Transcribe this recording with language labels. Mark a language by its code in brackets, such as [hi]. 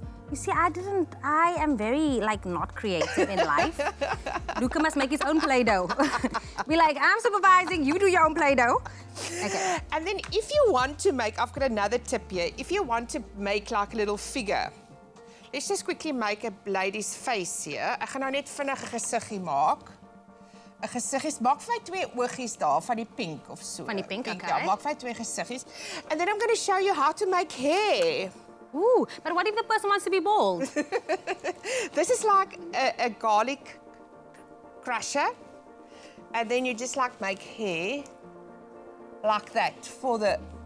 [en] You see, I am very, like, not creative in life. Luca must make his own Play-Doh. Be like, I'm supervising, you do your own Play-Doh. Okay. And then if you want to make, I've got another tip here. If you want to make, like, a little figure, let's just quickly make a lady's face here. [af] Ek gaan nou net vinnig 'n gesiggie maak. 'N gesiggie, maak vir my 2 oogies daar, van die pink of so. Van die pink, okay. Ja, maak vir my 2 gesiggies. [en] And then I'm going to show you how to make hair. Ooh, but what if the person wants to be bald? This is like a garlic crusher. And then you just like make hair like that for the...